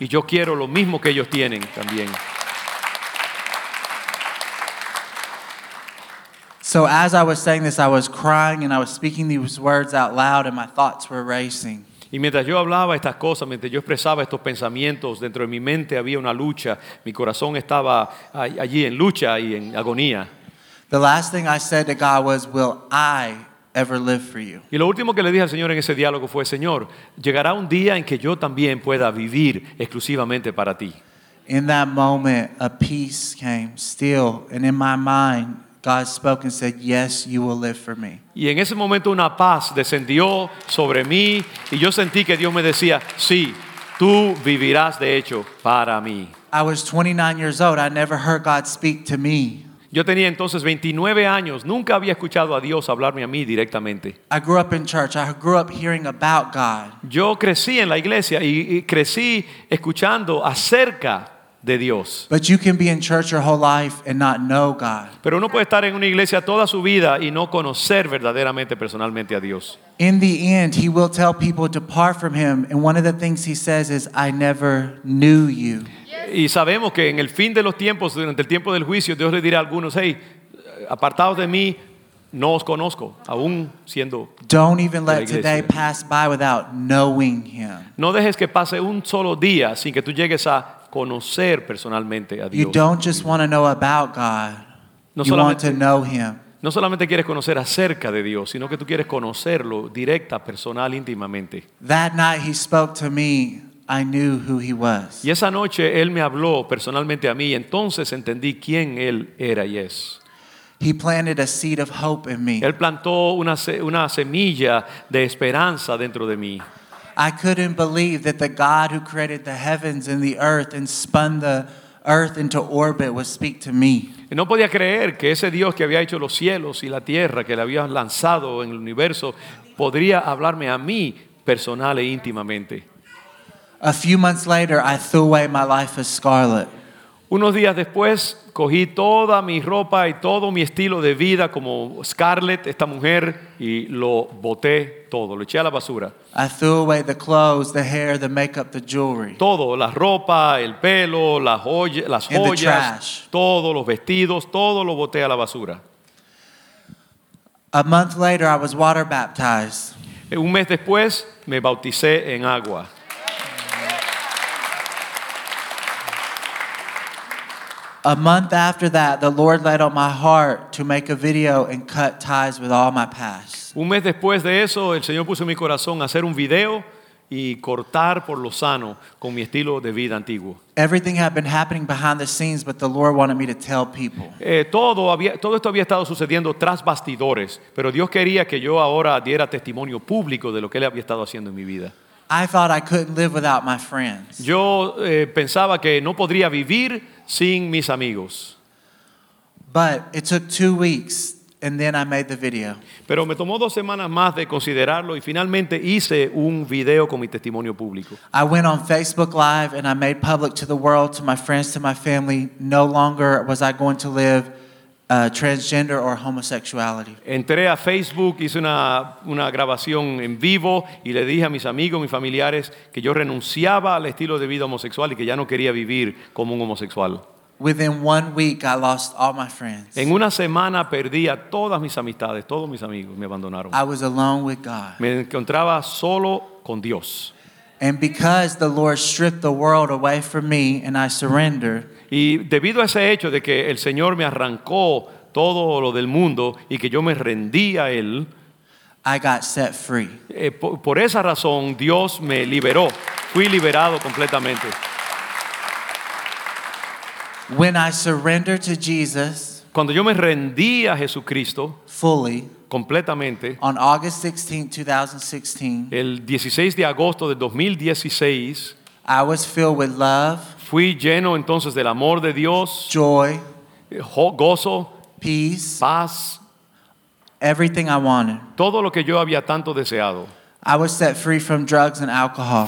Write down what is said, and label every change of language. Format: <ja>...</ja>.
<es>Y yo quiero lo mismo que ellos tienen también.</es> <en>So as I was saying this, I was crying and I was speaking these words out loud and my thoughts were racing.</en> <es>Y mientras yo hablaba estas cosas, mientras yo expresaba estos pensamientos, dentro de mi mente había una lucha. Mi corazón estaba allí en lucha y en agonía.</es> <en>The last thing I said to God was, will I ever live for you?</en> <es>Y lo último que le dije al Señor en ese diálogo fue, Señor, llegará un día en que yo también pueda vivir exclusivamente para ti.</es> <en>In that moment, a peace came still, and in my mind, God spoke and said, "Yes, you will live for me."</en> <es>Y en ese momento una paz descendió sobre mí, y yo sentí que Dios me decía, "Sí, tú vivirás de hecho para mí."</es> <en>I was 29 years old. I never heard God speak to me.</en> <es>Yo tenía entonces 29 años. Nunca había escuchado a Dios hablarme a mí directamente.</es> <en>I grew up in church. I grew up hearing about God.</en> <es>Yo crecí en la iglesia y crecí escuchando acerca de Dios.</es> <en>But you can be in church your whole life and not know God.</en> <es>Pero uno puede estar en una iglesia toda su vida y no conocer verdaderamente personalmente a Dios.</es> <en>In the end, he will tell people to depart from him. And one of the things he says is, I never knew you.</en> <es>Y sabemos que en el fin de los tiempos, durante el tiempo del juicio, Dios le dirá a algunos, hey, apartados de mí, no os conozco, aún siendo</es> <en>Don't even let today pass by without knowing him.</en> <es>No dejes que pase un solo día sin que tú llegues a conocer personalmente a Dios.</es> <en>You don't just want to know about God, you want to know him.</en> <es>No solamente quieres conocer acerca de Dios, sino que tú quieres conocerlo directa, personal, íntimamente.</es> <en>That night he spoke to me. I knew who he was.</en> <es>Y esa noche él me habló personalmente a mí, entonces entendí quién él era y es.</es> <en>He planted a seed of hope in me.</en> <es>Él plantó una semilla de esperanza dentro de mí.</es> <en>I couldn't believe that the God who created the heavens and the earth and spun the earth into orbit would speak to me.</en> <es>Y no podía creer que ese Dios que había hecho los cielos y la tierra, que le había lanzado en el universo, podría hablarme a mí personal e íntimamente.</es> <en>A few months later, I threw away my life as scarlet.</en> <es>Unos días después, Cogí toda mi ropa y todo mi estilo de vida como Scarlett, esta mujer, y lo boté todo, lo eché a la basura.</es> <en>I threw away the clothes, the hair, the makeup, the jewelry.</en> <es>Todo, la ropa, el pelo, las joyas, todos los vestidos, todo lo boté a la basura.</es> <en>A month later, I was water baptized.</en> <es>Un mes después, me bauticé en agua.</es> <en>A month after that, the Lord laid on my heart to make a video and cut ties with all my past.</en> <es>Un mes después de eso, el Señor puso en mi corazón hacer un video y cortar por lo sano con mi estilo de vida antiguo.</es> <en>Everything had been happening behind the scenes, but the Lord wanted me to tell people.</en> <es>Todo esto había estado sucediendo tras bastidores, pero Dios quería que yo ahora diera testimonio público de lo que Él había estado haciendo en mi vida.</es> <en>I thought I couldn't live without my friends.</en> <es>Yo pensaba que no podría vivir sin mis amigos.</es> <en>But it took 2 weeks, and then I made the video.</en> <es>Pero me tomó 2 semanas más de considerarlo, y finalmente hice un video con mi testimonio público.</es> <en>I went on Facebook Live, and I made public to the world, to my friends, to my family, no longer was I going to live transgender or homosexuality.</en> <es>Entré a Facebook, hice una grabación en vivo, y le dije a mis amigos, mis familiares, que yo renunciaba al estilo de vida homosexual y que ya no quería vivir como un homosexual.</es> <en>Within 1 week, I lost all my friends.</en> <es>En una semana perdí a todas mis amistades, todos mis amigos me abandonaron.</es> <en>I was alone with God.</en> <es>Me encontraba solo con Dios.</es> <en>And because the Lord stripped the world away from me and I surrendered,</en> <es>y debido a ese hecho de que el Señor me arrancó todo lo del mundo y que yo me rendí a Él,</es> <en>I got set free.</en> <es>Por esa razón, Dios me liberó. Fui liberado completamente.</es> <en>When I surrendered to Jesus,</en> <es>cuando yo me rendí a Jesucristo,</es> <en>fully,</en> <es>completamente,</es> <en>on August 16, 2016,</en> <es>el 16 de agosto de 2016,</es> <en>I was filled with love,</en> <es>fui lleno entonces del amor de Dios,</es> <en>joy,</en> <es>gozo,</es> <en>peace,</en> <es>paz,</es> <en>everything I wanted.</en> <es>Todo lo que yo había tanto deseado.</es> <en>I was set free from drugs and alcohol.</en>